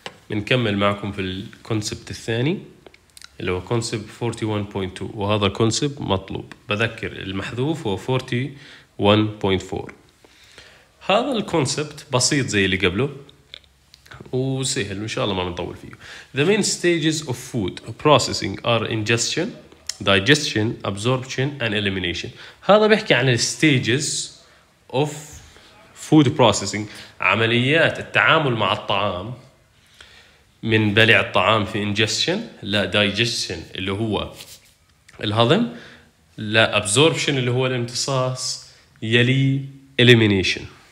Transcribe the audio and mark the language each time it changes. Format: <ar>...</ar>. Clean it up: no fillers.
<ar>بنكمل معكم في الكونسبت الثاني اللي هو كونسبت 41.2، وهذا كونسبت مطلوب، بذكر المحذوف هو 41.4. هذا الكونسبت بسيط زي اللي قبله وسهل، ان شاء الله ما بنطول فيه.</ar> <en>The main stages of food processing are ingestion, digestion, absorption and elimination.</en> <ar>هذا بيحكي عن الستيجز اوف فود بروسيسنج، عمليات التعامل مع الطعام، من بلع الطعام في ingestion لا digestion اللي هو الهضم، لا absorption اللي هو الامتصاص، يلي elimination.</ar>